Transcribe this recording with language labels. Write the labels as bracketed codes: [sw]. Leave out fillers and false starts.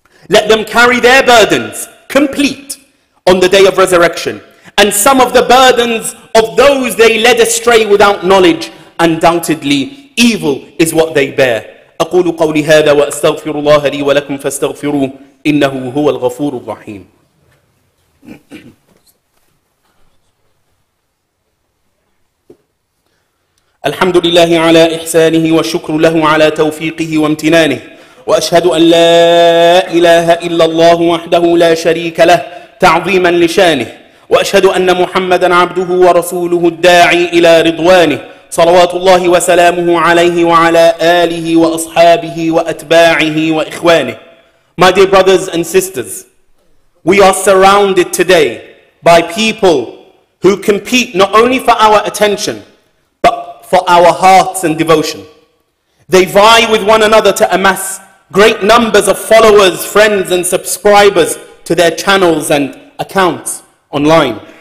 [en] Let them carry their burdens complete on the day of resurrection, and some of the burdens of those they led astray without knowledge. Undoubtedly, evil is what they bear. [ar] أقول قولي هذا وأستغفر الله لي ولكم فاستغفروه إنه هو الغفور الرحيم. الحمد لله على إحسانه والشكر له على توفيقه وامتنانه، وأشهد أن لا إله إلا الله وحده لا شريك له تعظيما لشانه، وأشهد أن محمدا عبده ورسوله الداعي إلى رضوانه صلوات الله وسلامه عليه وعلى آله وأصحابه وأتباعه وإخوانه. [en] My dear brothers and sisters, we are surrounded today by people who compete not only for our attention but for our hearts and devotion. They vie with one another to amass great numbers of followers, friends and subscribers to their channels and accounts online.